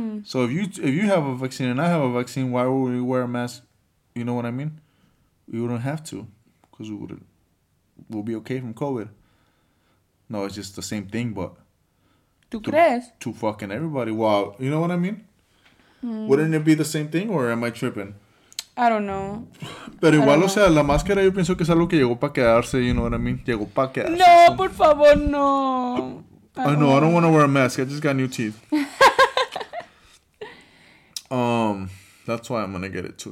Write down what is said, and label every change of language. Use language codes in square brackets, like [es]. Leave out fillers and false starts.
[en] So if you have a vaccine and I have a vaccine, why would we wear a mask? You know what I mean? We wouldn't have to, because we'll be okay from COVID. No, it's just the same thing, but to fucking everybody. Wow, you know what I mean? Wouldn't it be the same thing, or am I tripping? I don't know. [es] Pero igual, o sea, la máscara, yo pienso que es algo que llegó para quedarse. [en] You know what I mean? [es] Llegó para quedarse. No, por favor, no. [en] I know. I don't want to wear a mask. I just got new teeth. That's why I'm going to get it too.